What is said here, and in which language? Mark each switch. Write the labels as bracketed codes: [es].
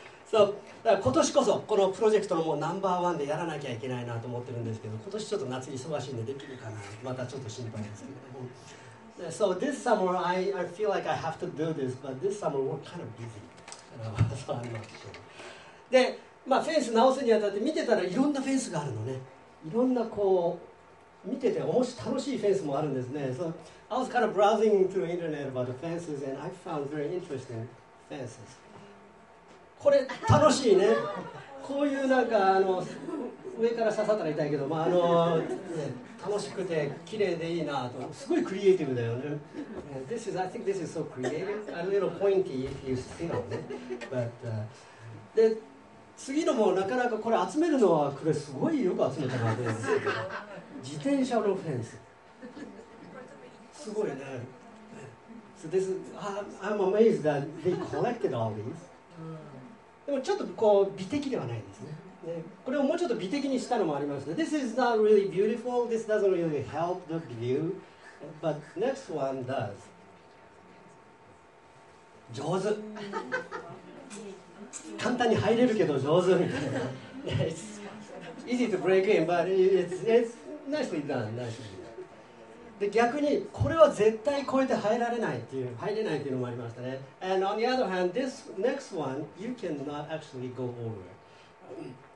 [ja] So, 今年こそこのプロジェクトのもうナンバーワンでやらなきゃいけないなと思ってるんですけど、今年ちょっと夏忙しいんでできるかな、またちょっと心配ですけども。 [en] So this summer, I feel like I have to do this, but this summer we're kind of busy. So I'm not sure. [ja] で、まあフェンス直すにあたって見てたらいろんなフェンスがあるのね。いろんなこう見てて面白い楽しいフェンスもあるんですね。 [en] So I was kind of browsing through the internet about the fences, and I found very interesting fences. [ja] これ楽しいね。こういうなんかあの上から刺さったら痛いけど、まああの、ね、楽しくて綺麗でいいなと、すごいクリエイティブだよね。 [en] This is, I think this is so creative. A little pointy if you see it. [ja] But, で次のもなかなかこれ集めるのはこれすごいよく集めたなと思うんですけど、自転車のフェンス。すごいね。 [en] So this is, I'm amazed that they collected all these. [ja] でもちょっとこう美的ではないですね。ね、これをもうちょっと美的にしたのもありますね。 [en] This is not really beautiful. This doesn't really help the view. But next one does. [ja] 上手。簡単に入れるけど上手みたいな。 [en] It's easy to break in, but it's nicely done. Nicely done. [ja] で逆にこれは絶対超えて入られないっていう、入れないっていうのもありましたね。 [en] And on the other hand, this next one, you cannot actually go over.